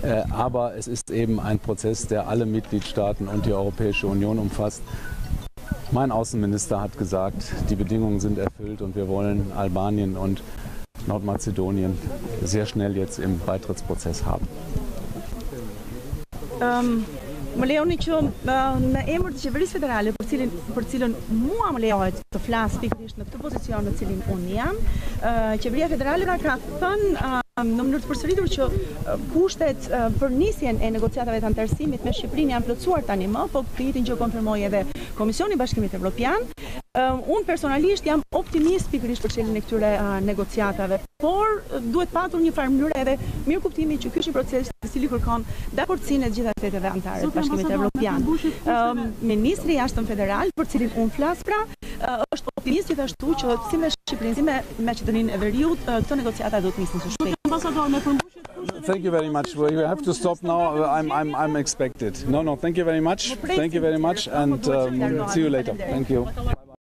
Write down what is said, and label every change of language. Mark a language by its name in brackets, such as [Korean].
[German] Aber es ist eben ein Prozess, der alle Mitgliedstaaten und die Europäische Union umfasst. Mein Außenminister hat gesagt, die Bedingungen sind erfüllt und wir wollen Albanien und Nordmazedonien sehr schnell jetzt im Beitrittsprozess haben. [Albanian] Më lejoni që në emër të qeverisë federale, për cilën mua më lejohet të flas pikërisht në këtë pozicion në cilin unë jam, qeveria federale ka thënë në mënyrë të përsëritur që kushtet për nisjen e negociatave të antarësimit me Shqipërinë janë plotësuar tani më, po këtë ditën që konfirmoi edhe Komisioni i Bashkimit Evropian. Unë personalisht jam optimist pikërisht për çelën e këtyre negociatave, por duhet patur një farë mënyrë edhe mirë kuptimi që ky është një proces i cili kërkon dakordsinë e gjitha shteteve anëtare të Bashkimit Evropian. Ministri i jashtëm federal, për cilin unë flas pra, është optimist gjithashtu që si me Shqipërinë, si me Maqedoninë e Veriut, këto negociata do të nisin së shpejti. [English] Thank you very much. Well, you have to stop now. I'm expected. No, thank you very much. Thank you very much and see you later. Thank you.